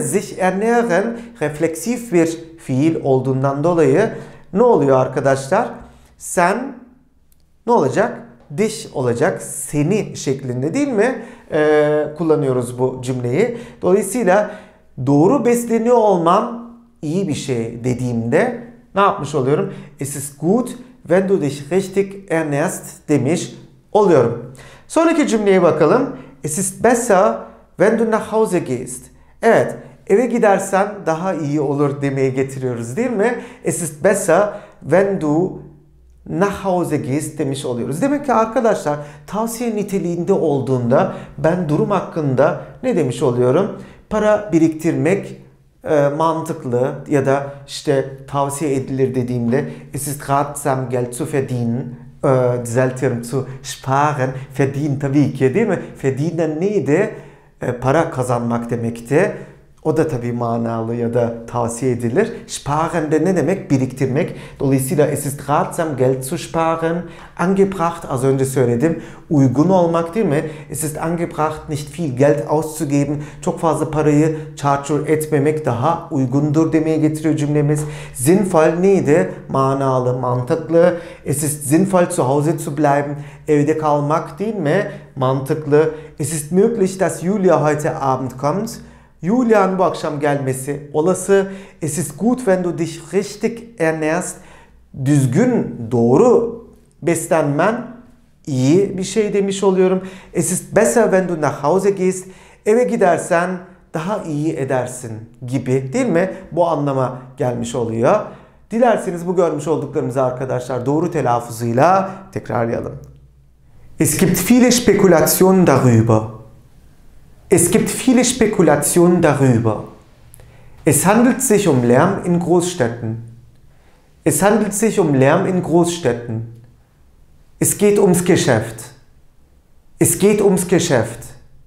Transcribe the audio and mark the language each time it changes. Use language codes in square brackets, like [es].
[tr] Sich ernähren refleksif bir fiil olduğundan dolayı ne oluyor arkadaşlar? Sen ne olacak? Dich olacak, seni şeklinde, değil mi? Kullanıyoruz bu cümleyi. Dolayısıyla doğru besleniyor olman iyi bir şey dediğimde ne yapmış oluyorum? [de] Es ist gut, wenn du dich richtig ernährst [tr] demiş oluyorum. Sonraki cümleye bakalım. [de] Es ist besser, wenn du nach Hause gehst. [tr] Evet, eve gidersen daha iyi olur demeye getiriyoruz, değil mi? [de] Es ist besser, wenn du nach Hause gehst [tr] demiş oluyoruz. Demek ki arkadaşlar tavsiye niteliğinde olduğunda ben durum hakkında ne demiş oluyorum? Para biriktirmek mantıklı ya da işte tavsiye edilir dediğimde [de] es ist ratsam Geld zu verdienen. [tr] Düzeltiyorum, [de] zu sparen, [tr] verdienen tabii ki, değil mi? Verdienen neydi? Para kazanmak demekti. O da tabii manalı ya da tavsiye edilir. Sparen de ne demek? Biriktirmek. [de] Dolayısıyla es ist ratsam Geld zu sparen. [tr] Angebracht, az önce söyledim, uygun olmak değil mi? [de] Es ist angebracht nicht viel Geld auszugeben. [tr] Çok fazla parayı çarçur etmemek daha uygundur demeye getiriyor cümlemiz. Sinnvoll neydi? Manalı, mantıklı. [de] Es ist sinnvoll zu Hause zu bleiben. [tr] Evde kalmak değil mi? Mantıklı. [de] Es ist möglich, dass Julia heute Abend kommt. [tr] Julia'nın bu akşam gelmesi olası. [de] Es ist gut, wenn du dich richtig ernährst. [tr] Düzgün, doğru beslenmen iyi bir şey demiş oluyorum. [de] Es ist besser, wenn du nach Hause gehst. [tr] Eve gidersen daha iyi edersin gibi, değil mi? Bu anlama gelmiş oluyor. Dilerseniz bu görmüş olduklarımızı arkadaşlar doğru telaffuzuyla tekrarlayalım. [de] Es gibt viele Spekulationen darüber. Es gibt viele Spekulationen darüber. Es handelt sich um Lärm in Großstädten. Es handelt sich um Lärm in Großstädten. Es geht ums Geschäft. Es geht ums Geschäft.